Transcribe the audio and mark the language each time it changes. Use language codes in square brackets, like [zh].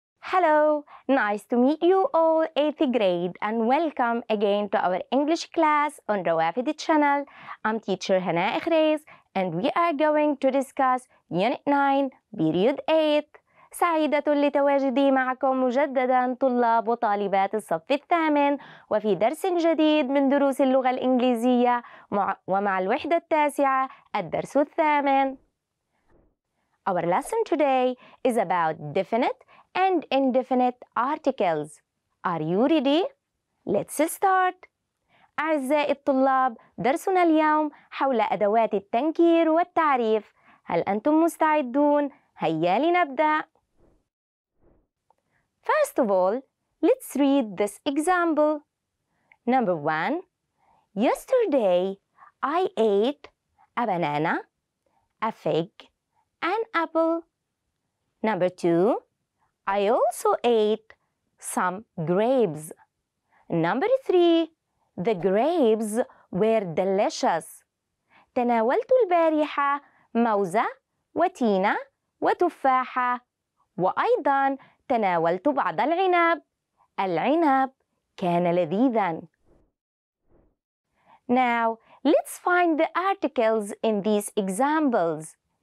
[en] Hello, nice to meet you all 8th grade and welcome again to our English class on Rawafidi channel. I'm teacher Hana Ikhrez and we are going to discuss Unit 9, Period 8. [ar] سعيدة لتواجدي معكم مجددا طلاب وطالبات الصف الثامن وفي درس جديد من دروس اللغة الإنجليزية ومع الوحدة التاسعة الدرس الثامن. [en] Our lesson today is about definite and indefinite articles. Are you ready? Let's start. [ar] أعزائي الطلاب، درسنا اليوم حول أدوات التنكير والتعريف. هل أنتم مستعدون؟ هيا لنبدأ. [en] First of all, let's read this example. Number one, yesterday I ate a banana, a fig, an apple. Number two, I also ate some grapes. Number three, the grapes were delicious. [ar] تناولت البارحة موزة وتينة وتفاحة وأيضا تناولت بعض العنب. العنب كان لذيذا. [en] Now, let's find the articles in these examples.